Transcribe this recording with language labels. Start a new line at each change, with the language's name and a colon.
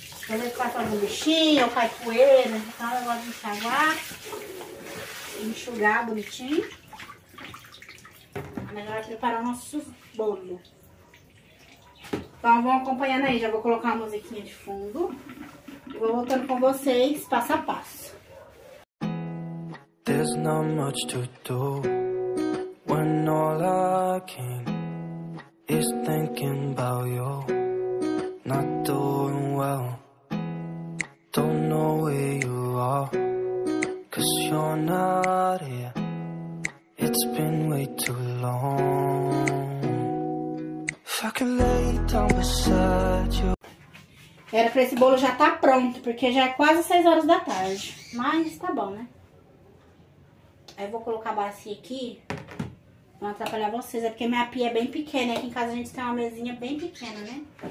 Portuguese: Às vezes passa um bichinho, cai poeira. Então, eu gosto de enxaguar. Enxugar bonitinho. Melhor preparar o nosso bolo. Então, vão acompanhando aí. Já vou colocar uma musiquinha de fundo. E vou voltando com vocês passo a passo.
English: There's not much to do when all I can is thinking about you. Not doing well. Don't know where you are. Cause you're not here. It's been way too long. If I could lay down beside you.
Portuguese: Era pra esse bolo já tá pronto, porque já é quase 6 horas da tarde. Mas tá bom, né? Aí eu vou colocar a bacia aqui. Não atrapalhar vocês. É porque minha pia é bem pequena. Aqui em casa a gente tem uma mesinha bem pequena, né?